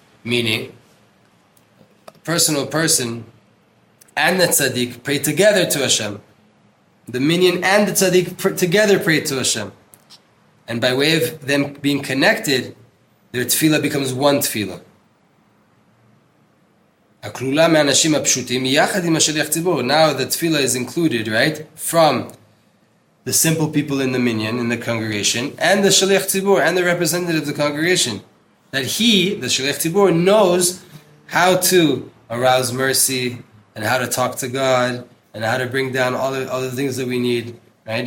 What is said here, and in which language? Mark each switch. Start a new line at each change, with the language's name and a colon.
English: Meaning, a personal person and the tzaddik pray together to Hashem. The minion and the tzaddik together pray to Hashem. And by way of them being connected, their tefillah becomes one tefillah.
Hebrew: הכלולה מהאנשים הפשוטים יחד עם השליח ציבור.
English: Now the tefillah is included, right? From the simple people in the minion, in the congregation, and the shaliach tzibur, and the representative of the congregation. That he, the shaliach tzibur, knows how to arouse mercy, and how to talk to God, and how to bring down all the things that we need. Right?